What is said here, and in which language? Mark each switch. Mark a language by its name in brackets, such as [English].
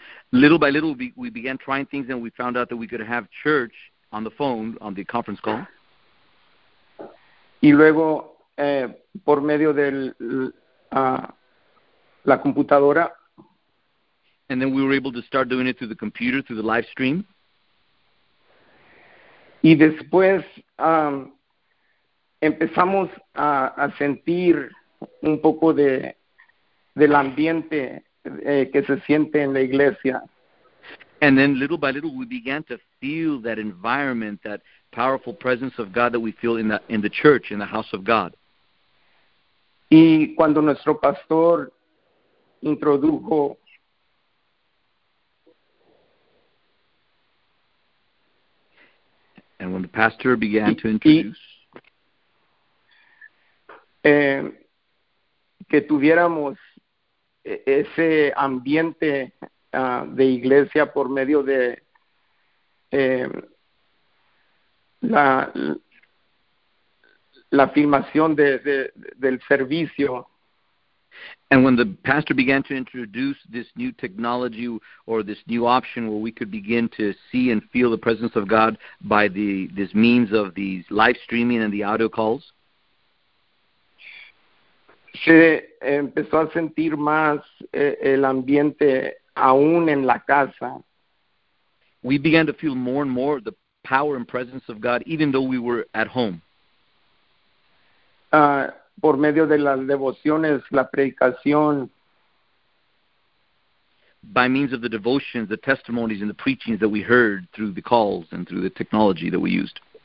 [English] Little by little we began trying things and we found out that we could have church on the phone, on the conference call. [Spanish] Y luego por medio de la computadora. [English] And then we were able to start doing it through the computer, through the live stream. [Spanish] Y después empezamos a sentir un poco del ambiente que se siente en la iglesia. [English] And then little by little we began to feel that environment, that powerful presence of God that we feel in the church, in the house of God. [Spanish] Y cuando nuestro pastor introdujo [English] and when the pastor began to introduce [Spanish] que tuviéramos ese ambiente de iglesia por medio de la filmación del servicio. [English] And when the pastor began to introduce this new technology or this new option where we could begin to see and feel the presence of God by this means of these live streaming and the audio calls, [Spanish] se empezó a sentir más el ambiente aún en la casa. [English] We began to feel more and more the power and presence of God even though we were at home. [Spanish] Por medio de las devociones, la predicación. [English] By means of the devotions, the testimonies and the preachings that we heard through the calls and through the technology that we used.